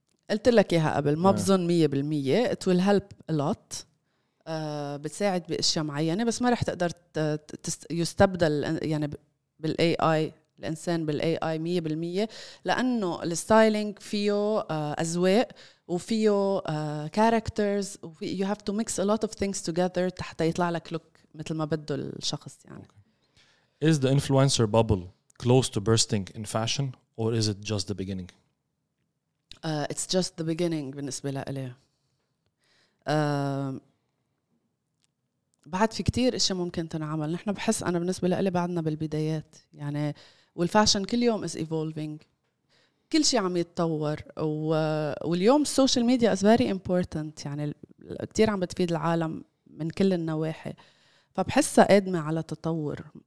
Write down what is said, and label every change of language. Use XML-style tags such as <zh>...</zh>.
<ar>قلت لك اياها قبل ما بظن 100%</ar> <en>it will help a lot</en> <ar>بتساعد بأشياء معينة بس ما رح تقدر يستبدل يعني بالاي اي الانسان بالاي اي 100% لانه الستايلينج فيه أزواق وفيه كاركترز</ar> <en>you have to mix a lot of things together</en> <ar>حتى يطلع لك لوك مثل ما بده الشخص يعني</ar> <en>okay. Is the influencer bubble close to bursting in fashion or is it just the beginning it's just the beginning</en> <ar>بالنسبة لي بعد في كتير إشي ممكن تنعمل نحن بحس أنا بالنسبة لي بعدنا بالبدايات يعني والفاشن كل يوم</ar> <en>is evolving</en> <ar>كل شيء عم يتطور واليوم السوشيال ميديا</ar> <en>is very important</en> <ar>يعني كتير عم بتفيد العالم من كل النواحي فبحسها قادمة على تطور</ar>